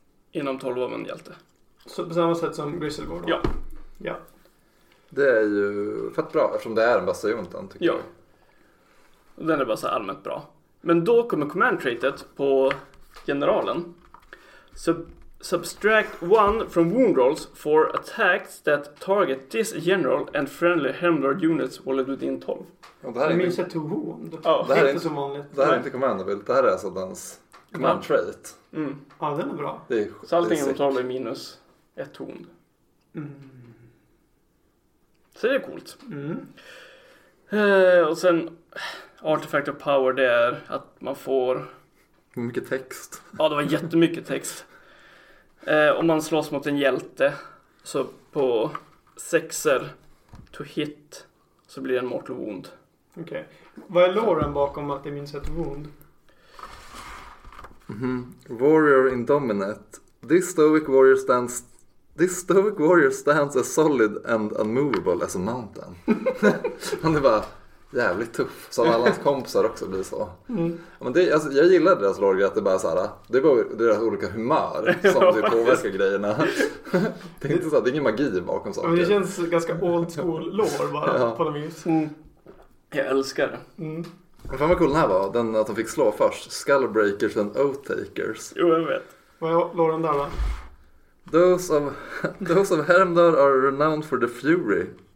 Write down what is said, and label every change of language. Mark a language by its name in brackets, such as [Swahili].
[Swedish] Inom 12 av en hjälte. Så på samma sätt som Grizzleborn? Ja. Ja. Det är ju fett bra eftersom det är en bastionten tycker jag. Och den är bara så allmänt bra. Men då kommer command traitet på generalen. [English] Subtract one from wound rolls for attacks that target this general and friendly Hemlord units while within 12. [Swedish] Det här är minst ett wound. Det här är inte så vanligt. Det här är inte commandable. Det här är alltså dens command trait. Ja, den är bra. Det är så allting inom 12 är minus ett wound. Mm. Så det är coolt. Mm. Och sen artifact of power, det är att man får... Mycket text. Ja, det var jättemycket text. Om man slåss mot en hjälte så på sexer to hit så blir det en mortal wound. Okej. Okay. Vad är loren bakom att det är minst ett wound? [English] Mm-hmm. Warrior indominate. This stoic warrior stands as solid and unmovable as a mountain. [Swedish] Han är bara jävligt tuff. Så har alla hans kompisar också blir så. Mm. Men det, alltså, jag gillar deras lore att det bara är såhär, det är bara deras olika humör som typ påverkar grejerna. Det är inte så, det är ingen magi bakom saker. Men det känns ganska old school lore bara på något vis. Mm. Jag älskar det. Mm. Fan vad cool den här var, den att de fick slå först. [English] Skullbreakers and Oathtakers. [Swedish] Jo, jag vet. Vad är loren där va? [English] Those of Heremdar are renowned for the fury.